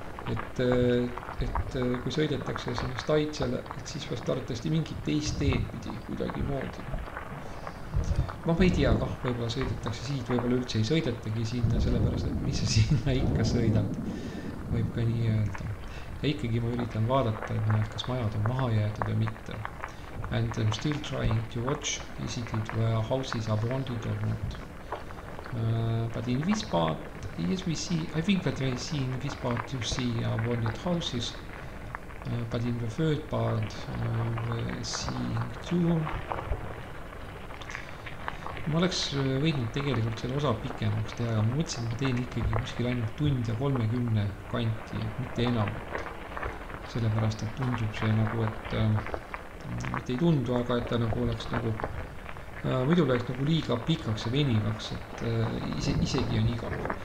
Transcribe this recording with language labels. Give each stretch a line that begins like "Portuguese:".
Estonian: Et kui sõidetakse sinna staitsele, et siis vast arvatavasti mingit teist teed pidi kuidagi moodi. Ma ei tea ka, võibolla sõidetakse siit, võibolla üldse ei sõidetagi sinna, sellepärast, et mis sa sinna ikka sõidad, võib ka nii öelda. Ja ikkagi ma üritan vaadata, et näed, kas majad on maha jäetud või mitte.
English: And I'm still trying to watch, is it where houses are wanted or not. But in this part, yes, we see, I think that we see in this part you see wanted houses, but in the third part we see two.
Estonian: Ma oleks võinud tegelikult selle osa pikemaks teha, aga ma mõtlesin, et ma teen ikkagi kuskil ainult tund ja 30 kanti, mitte enam. Sellepärast, et tundub see nagu, et mitte ei tundu, aga et ta nagu oleks nagu muidu läheks nagu liiga pikaks ja venivaks, et isegi on igav.